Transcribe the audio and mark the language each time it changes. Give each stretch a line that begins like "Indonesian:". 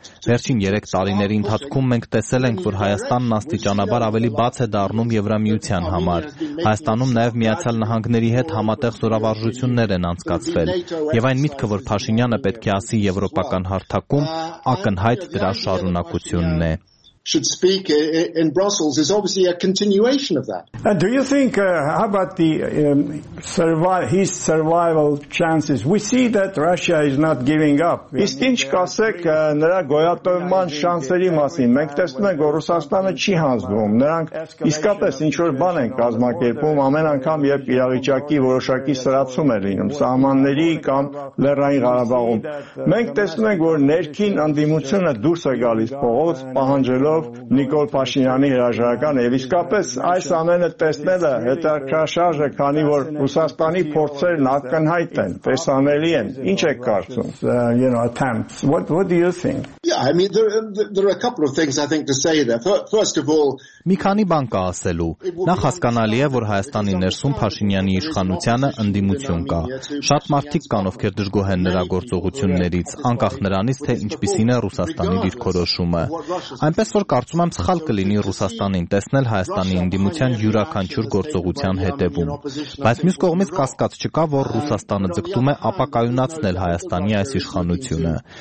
Armenian: Վերջին 3 տարիների ընթացքում մենք տեսել ենք, որ Հայաստանն աստիճանաբար ավելի բաց է դառնում Եվրամիության համար։ Հայաստանում նաեւ Միացյալ Նահանգների հետ համատեղ զորավարժություններ են անցկացվել, եւ այն միտքը, որ Փաշինյանը պետք է ասի եվրոպական հարթակում, ակնհայտ դրա շարունակությունն է։
English: Should speak in Brussels is obviously a continuation of that. And do you think how about the survival chances? We see that Russia is not giving up.
Armenian: Իսկ ինչ կասեք նրա գոյատևման շանսերի մասին? Մենք տեսնում ենք, որ Ռուսաստանը չի հանձնվում, նրանք իսկապես ինչ որ բան են կազմակերպում ամեն անգամ, երբ իրավիճակի որոշակի սրացում է լինում սահմանների կամ Լեռնային Ղարաբաղում։ Մենք տեսնում ենք, որ ներքին անդիմությունը դուրս է գալիս փողոց, պահանջել Նիկոլ Փաշինյանի հրաժարականը, եւ իսկապես այս ամենը տեսնելը հետաքրքրաշարժ է, քանի որ Ռուսաստանի փորձերն ակնհայտ են, տեսանելի են։ Ինչ եք կարծում?
English: You know, attempts. What do you think? Yeah, I mean there are a couple of things I think to say there. First of all,
Armenian: մի քանի բան կա ասելու։ Նախ հասկանալի է, որ Հայաստանի ներսում Փաշինյանի իշխանությունը ընդդիմություն կա։ Շատ մարդիկ կան, ովքեր դժգոհ են նրա գործողություններից, անկախ նրանից, թե ինչպիսին է Ռուսաստանի դիրքորոշումը։ Այնպես որ կարծում եմ, սխալ կլինի Ռուսաստանին տեսնել Հայաստանի ընդդիմության յուրաքանչյուր գործողության հետևում։ Բայց մյուս կողմից կասկած չկա, որ Ռուսաստանը ձգտում է ապակայունացնել Հայաստանի այս իշխանությունը։